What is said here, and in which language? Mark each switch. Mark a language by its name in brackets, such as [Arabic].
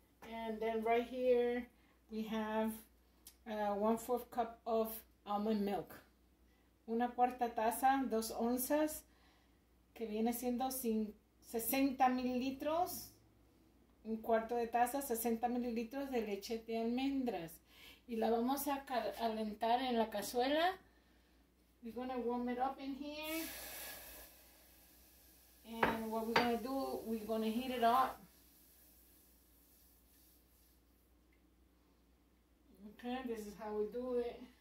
[English] And then right here we have 1/4 cup of almond milk. [Spanish] Una cuarta taza, 2 onzas, que viene siendo 60 mililitros. Un cuarto de taza, 60 mililitros de leche de almendras. Y la vamos a calentar en la cazuela. [English] We're gonna warm it up in here. And what we're gonna do, we're gonna heat it up. Okay, this is how we do it.